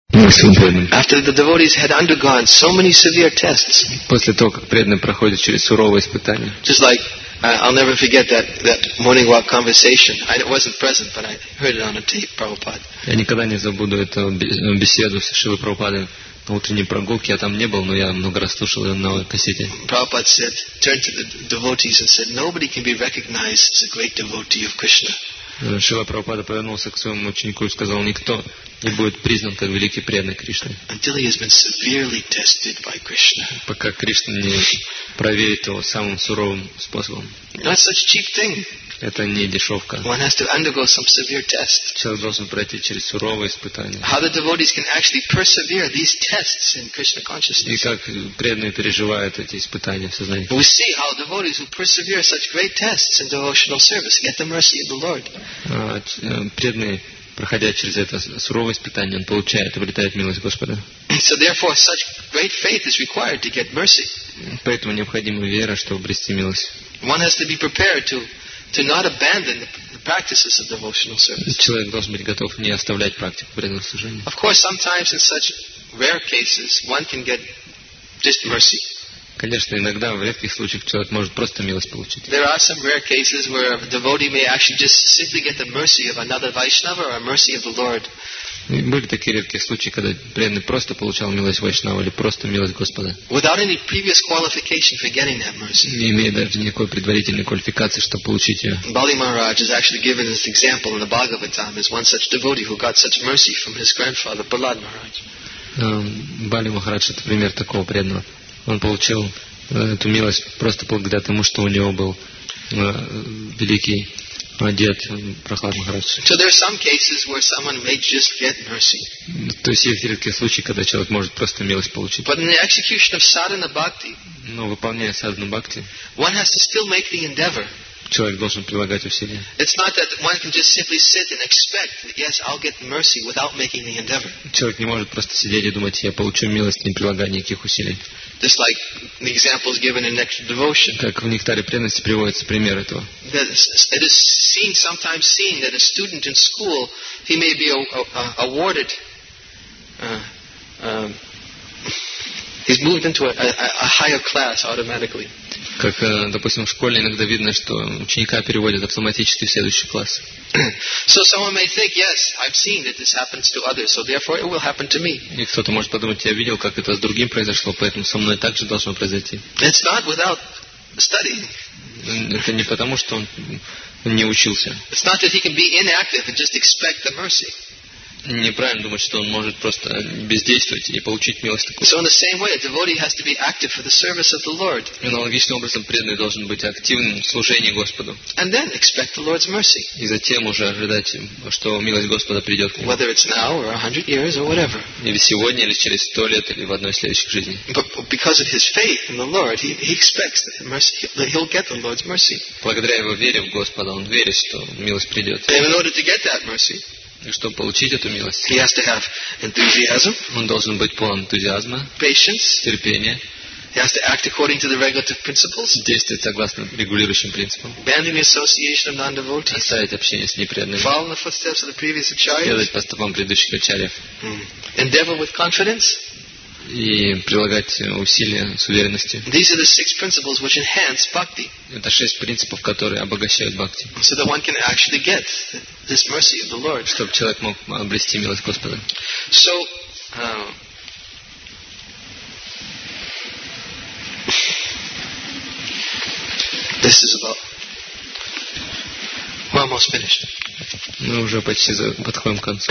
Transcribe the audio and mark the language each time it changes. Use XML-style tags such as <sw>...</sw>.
<en>After the devotees had undergone so many severe tests, just like I'll never forget that morning walk conversation. I wasn't present, but I heard it on a tape, Prabhupada.</en> <ru>Я никогда не забуду эту беседу с Шрилой Прабхупадой на утренней прогулке. Я там не был, но я много раз слушал ее на кассете.</ru> <en>Prabhupada said, turned to the devotees and said, nobody can be recognized as a great devotee of Krishna.</en> <ru>Шрила Прабхупада повернулся к своему ученику и сказал, никто не будет признан как великий преданный Кришны.</ru> <en>Until he has been severely tested by Krishna.</en> <ru>Пока Кришна не проверит его самым суровым способом.</ru> <en>Not such cheap thing.</en> <ru>Это не дешевка.</ru> <en>One has to undergo some severe test.</en> <ru>Человек должен пройти через суровые испытания.</ru> <en>How the devotees can actually persevere these tests in Krishna consciousness.</en> <ru>И как преданные переживают эти испытания в сознании.</ru> <en>We see how devotees who persevere such great tests in devotional service get the mercy of the Lord.</en> <ru>Преданные, проходя через это суровое испытание, он получает, обретает милость Господа.</ru> <en>So therefore, such great faith is required to get mercy.</en> <ru>Поэтому необходима вера, чтобы обрести милость.</ru> <en>One has to be prepared to not abandon the practices of devotional service.</en> <ru>Человек должен быть готов не оставлять практику преданного служения.</ru> <en>Of course, sometimes in such rare cases, one can get just mercy.</en> <ru>Конечно, иногда в редких случаях человек может просто милость получить.</ru> <en>There are some rare cases where a devotee may actually just simply get the mercy of another Vaishnava or mercy of the Lord.</en> <ru>Были такие редкие случаи, когда преданный просто получал милость Вайшнава или просто милость Господа.</ru> <en>Without any previous qualification for getting that mercy.</en> <ru>Не имея даже никакой предварительной квалификации, чтобы получить ее.</ru> <en>Bali Maharaj is actually given this example in the Bhagavatam as one such devotee who got such mercy from his grandfather Prahlad Maharaj.</en> <ru>Бали Махарадж — это пример такого преданного. Он получил эту милость просто благодаря тому, что у него был великий дед Прахлад Махарадж.</ru> <en>So there are some cases where someone may just get mercy.</en> <ru>То есть есть редкие случаи, когда человек может просто милость получить.</ru> <en>But in the execution of sadhana bhakti,</en> <ru>но выполняя садхана бхакти,</ru> <en>one has to still make the endeavor.</en> <ru>Человек должен прилагать усилия.</ru> <en>It's not that one can just simply sit and expect that yes, I'll get mercy without making the endeavor.</en> <ru>Человек не может просто сидеть и думать, я получу милость, не прилагая никаких усилий.</ru> <en>Just like the examples given in Nectar Devotion.</en> <ru>Как в Нектаре преданности приводится пример этого.</ru> <en>It is seen, sometimes seen, that a student in school, he may be awarded, he's moved into a higher class automatically.</en> <ru>Как, допустим, в школе иногда видно, что ученика переводят автоматически в следующий класс.</ru> <en>So someone may think, yes, I've seen that this happens to others, so therefore it will happen to me.</en> <ru>И кто-то может подумать, я видел, как это с другим произошло, поэтому со мной также должно произойти.</ru> <en>It's not without study.</en> <ru>Это не потому, что он не учился.</ru> <en>It's not that he can be inactive and just expect the mercy.</en> <ru>Неправильно думать, что он может просто бездействовать и получить милость такую. И аналогичным образом преданный должен быть активным в служении Господу.</ru> <en>And then expect the Lord's mercy.</en> <ru>И затем уже ожидать, что милость Господа придет к нему.</ru> <en>Whether it's now or 100 years or whatever.</en> <ru>Или сегодня, или через 100 лет, или в одной из следующих жизней.</ru> <en>But because of his faith in the Lord, he expects that the mercy, that he'll get the Lord's mercy.</en> <ru>Благодаря его вере в Господа, он верит, что милость придет.</ru> <en>And in order to get that mercy,</en> <ru>и чтобы получить эту милость,</ru> <en>he has to have enthusiasm,</en> <ru>он должен быть полон энтузиазма,</ru> <en>patience,</en> <ru>терпения,</ru> <en>he has to act according to the regulative principles,</en> <ru>действовать согласно регулирующим принципам,</ru> <en>abandon the association of non-devotees,</en> <ru>оставить общение с непреданными,</ru> <en>follow the footsteps of the previous acharyas,</en> <ru>следовать по стопам предыдущих ачарьев,</ru> <en>endeavor with confidence,</en> <ru>и прилагать усилия с уверенностью.</ru> <en>These are the six principles which enhance bhakti.</en> <ru>Это шесть принципов, которые обогащают бхакти.</ru> <en>So that one can actually get this mercy of the Lord.</en> <ru>Чтобы человек мог обрести милость Господа.</ru> <en>So, this is about. We're almost finished.</en> <ru>Мы уже почти подходим к концу.</ru>